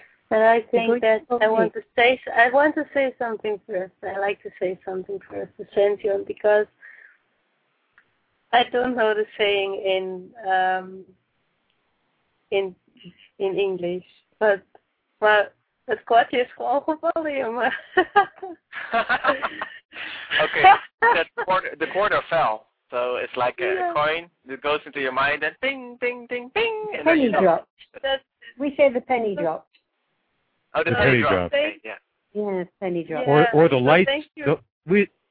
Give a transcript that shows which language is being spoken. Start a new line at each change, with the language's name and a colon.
English: But I think that I want to say something first. I like to say something first to Sentient, because I don't know the saying in English. But well,
Dutch: het kwartje is gewoon gevallen, jongen.
English: Okay, the quarter fell. So it's like a coin that goes into your mind and ding, ding, ding, ding. Penny and dropped. We say the penny dropped. Oh, the penny drop. Penny drop. Or the lights.